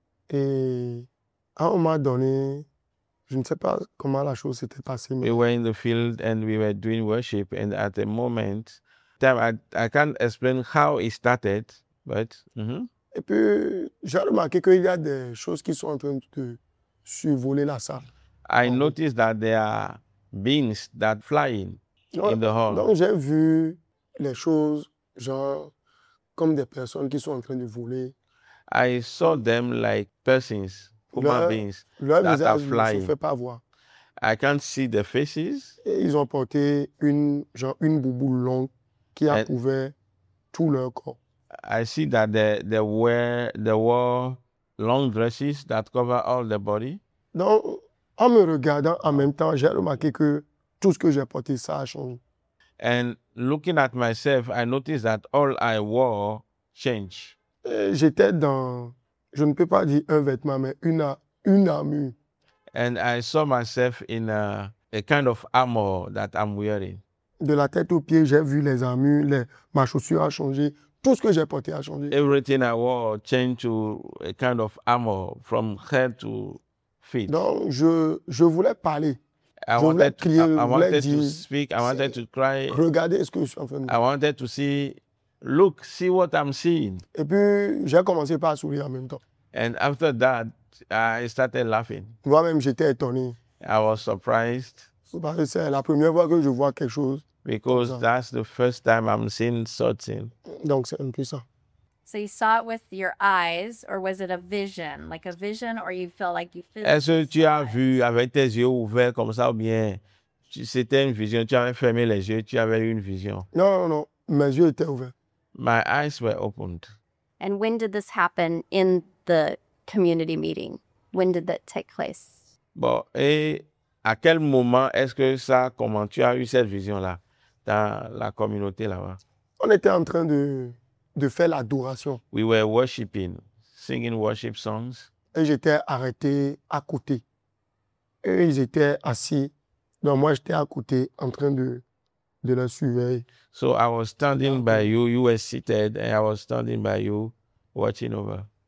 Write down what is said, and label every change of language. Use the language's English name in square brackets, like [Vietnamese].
[French] Et à un moment donné, je ne sais pas comment la chose s'était passée. [English] Mais... We were in the field and we were doing worship. And at a moment, I can't explain how it started. But, [French] Et puis, j'ai remarqué qu'il y a des choses qui sont en train de survoler la salle. [English] I noticed that there are beings that flying in the hall. [French] Donc, j'ai vu les choses, genre, comme des personnes qui sont en train de voler. [English] I saw them like persons, human beings, [French] leur [English] that are flying. [French] Ne se fait pas voir. [English] I can't see their faces. [French] Et ils ont porté une bouboule longue qui a couvert tout leur corps. [English] I see that they wore long dresses that cover all the body. [French] Donc, en me regardant en même temps, j'ai remarqué que tout ce que j'ai porté, ça a changé. [English] And looking at myself, I noticed that all I wore changed. [French] J'étais dans, je ne peux pas dire un vêtement, mais une armure. [English] And I saw myself in a kind of armor that I'm wearing. [French] de la tête aux pieds, j'ai vu les armures, ma chaussure a changé, tout ce que j'ai porté a changé. [English] Everything I wore changed to a kind of armor from head to feet. [French] Donc je voulais parler. [English] I wanted to speak, I wanted to cry. [French] Regardez ce que je suis en train de [English] dire. I wanted to see, look, see what I'm seeing. [French] Et puis, j'ai commencé par sourire en même temps. [English] And after that, I started laughing. [French] Moi-même, j'étais étonné. [English] I was surprised. [French] Parce que c'est la première fois que je vois quelque chose. [English] Because that's the first time I'm seeing something. [French] Donc, c'est impressionnant. [English] So you saw it with your eyes, or was it a vision, like a vision, or you felt like you physically? [French] Est-ce que tu as vu avec tes yeux ouverts comme ça ou bien c'était une vision? Tu avais fermé les yeux, tu avais une vision? Non, mes yeux étaient ouverts. [English] My eyes were opened. And when did this happen in the community meeting? When did that take place? [French] Bon, et à quel moment est-ce que ça, comment tu as eu cette vision là dans la communauté là-bas? On était en train de faire l'adoration. [English] We were worshiping, singing worship songs. [French] Et j'étais arrêté à côté. Et ils étaient assis. Donc moi, j'étais à côté en train de la surveiller. [English] So I was standing by you. You were seated and I was standing by you, watching over.